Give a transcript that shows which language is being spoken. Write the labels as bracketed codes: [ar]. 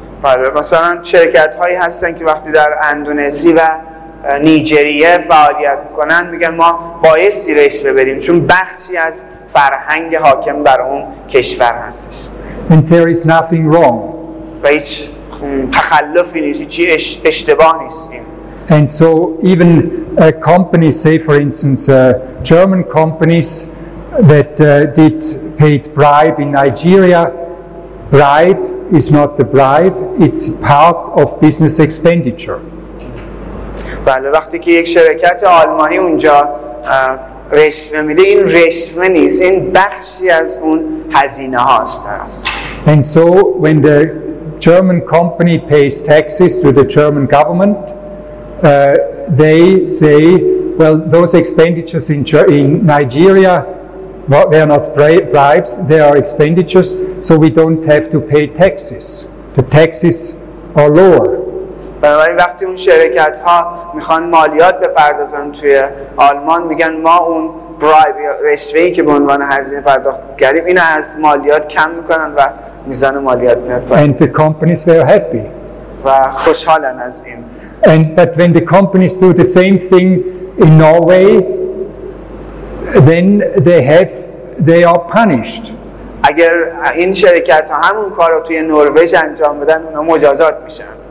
[en] For example, companies that are in Indonesia or [fa] نیجریه فعالیت میکنن میگن ما بایستی رئیس ببریم چون بخشی از فرهنگ حاکم بر اون کشور هستش. [en] And there is nothing wrong. [fa] و هیچ تخلفی نیست، هیچ اشتباه نیست. [en] And so even a company, say for instance German companies that did paid bribe in Nigeria, bribe is not the bribe, it's part of business expenditure. [fa] بله، وقتی که یک شرکت آلمانی اونجا رشوه میده، این رشوه نیست، این بخشی از اون هزینه هاست. [en] And so when the German company pays taxes to the German government, they say, well, those expenditures in Nigeria, well, they are not bribes, they are expenditures, so we don't have to pay taxes. The taxes are lower. [fa] بنابراین وقتی اون شرکت ها میخوان مالیات بپردازن توی آلمان، میگن ما اون برایب رشوه ای که به عنوان هزینه پرداخت کردیم اینو از مالیات کم میکنن و میزان مالیات میاد پایین. [en] And the companies were happy. [fa] و خوشحالن از این. [en] And but when the companies do the same thing in Norway, then they are punished. [fa] اگر این شرکت ها همون کار رو توی نروژ انجام بدن، اونا مجازات میشن.